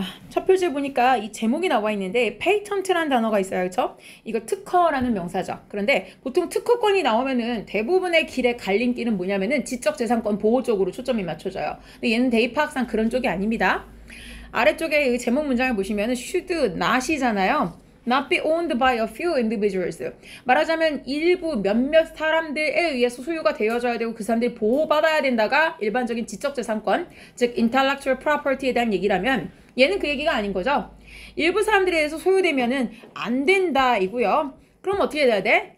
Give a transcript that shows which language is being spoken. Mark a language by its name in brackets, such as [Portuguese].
[Korean] 첫 표지에 보니까 이 제목이 나와 있는데 페이턴트라는 단어가 있어요, 그렇죠? 이거 특허라는 명사죠. 그런데 보통 특허권이 나오면은 대부분의 길의 갈림길은 뭐냐면은 지적재산권 보호 쪽으로 초점이 맞춰져요. 근데 얘는 대입학상 그런 쪽이 아닙니다. 아래쪽에 이 제목 문장을 보시면은 [English] should not [Korean] 이잖아요. [English] Not be owned by a few individuals. [Korean] 말하자면 일부 몇몇 사람들에 의해서 소유가 되어져야 되고 그 사람들이 보호받아야 된다가 일반적인 지적재산권, 즉 intellectual property에 대한 얘기라면 얘는 그 얘기가 아닌 거죠. 일부 사람들에 의해서 소유되면은 안 된다이고요. 그럼 어떻게 해야 돼?